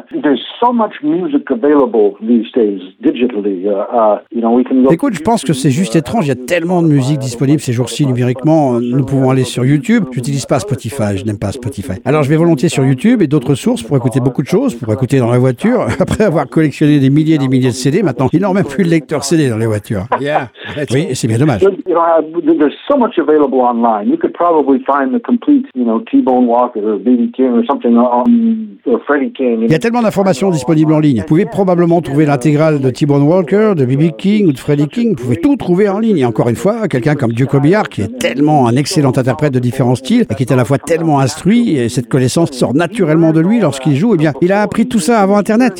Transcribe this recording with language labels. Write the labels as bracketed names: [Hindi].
[English] There's so much music available these days digitally. [French] Écoute, je pense que c'est juste étrange. Il y a tellement de musique disponible ces jours-ci numériquement. Nous pouvons aller sur YouTube. J'utilise pas Spotify. Je n'aime pas Spotify. Alors je vais volontiers sur YouTube et d'autres sources pour écouter beaucoup de choses, pour écouter dans la voiture. Après avoir collectionné des milliers de CD, maintenant il n'y a même plus de lecteur CD dans les voitures. [English] Yeah. [French] Oui, et c'est bien dommage. [English] There's so much available online. You could probably find the complete, you know, T-Bone Walker or B.B. King or something on. [French] Il y a tellement d'informations disponibles en ligne. Vous pouvez probablement trouver l'intégrale de T-Bone Walker, de B.B. King ou de Freddie King. Vous pouvez tout trouver en ligne. Et encore une fois, quelqu'un comme Duke Obiard, qui est tellement un excellent interprète de différents styles et qui est à la fois tellement instruit, et cette connaissance sort naturellement de lui lorsqu'il joue, eh bien, il a appris tout ça avant Internet.